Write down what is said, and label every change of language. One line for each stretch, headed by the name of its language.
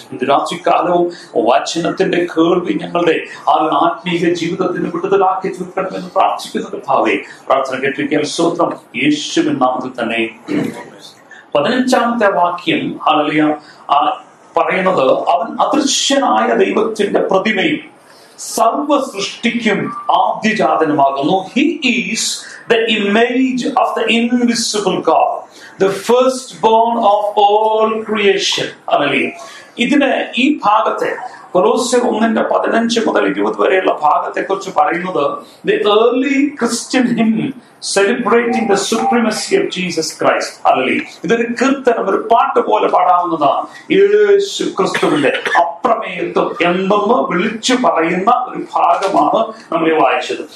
Malayalam: ഇത് രാത്രിക്കാലവും വചനത്തിന്റെ കേൾവി ഞങ്ങളുടെ ആത്മീയ ജീവിതത്തിന് വിടുതലാക്കി തീർക്കണം എന്ന് പ്രാർത്ഥിക്കുന്ന കർത്താവേ, പ്രാർത്ഥന കേട്ടിരിക്കാൻ സ്തോത്രം. യേശുവിൻ നാമത്തിൽ തന്നെ 15-ാമത്തെ വാക്യം ഹാലലുയ പറയുന്നത്, അവൻ അദൃശ്യനായ ദൈവത്തിന്റെ പ്രതിമയും സർവ സൃഷ്ടിക്കും ആദ്യജാതനുമാകുന്നു.
English: He is the image of the invisible God, the firstborn of all creation.
Malayalam: ഇതിനെ ഈ ഭാഗത്തെ കൊലോസ്യർ 1:15-20 വരെയുള്ള ഭാഗത്തെ കുറിച്ച് പറയുന്നത്,
English: the early Christian hymn celebrating the supremacy of Jesus Christ. Hallelujah.
Malayalam: ഇതൊരു കീർത്തനം, ഒരു പാട്ട് പോലെ പാടാവുന്നതാണ്. യേശു ക്രിസ്തുവിന്റെ അപ്രമേയത്വം എന്തെന്ന് വിളിച്ചു പറയുന്ന ഒരു ഭാഗമാണ് നമ്മൾ വായിച്ചത്.